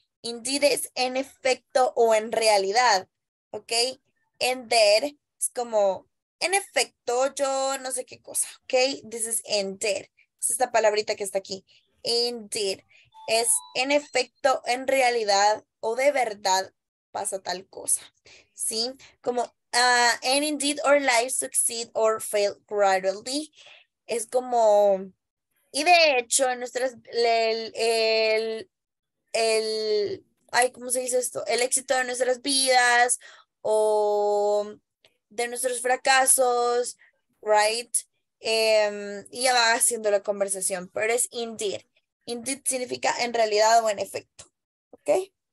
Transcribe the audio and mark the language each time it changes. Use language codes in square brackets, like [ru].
[es] Indeed es en efecto o en realidad. Ok. And there es como en efecto yo no sé qué cosa. Ok. [en] This is indeed. [es] Es esta palabrita que está aquí. Indeed. Es en efecto, en realidad o de verdad pasa tal cosa. Sí. [en] Como and indeed our lives succeed or fail gradually. [es] Es como... y de hecho, nuestras, ¿cómo se dice esto? El éxito de nuestras vidas o de nuestros fracasos, right? Y ya va haciendo la conversación, pero es indeed. Indeed significa en realidad o en efecto, ¿ok?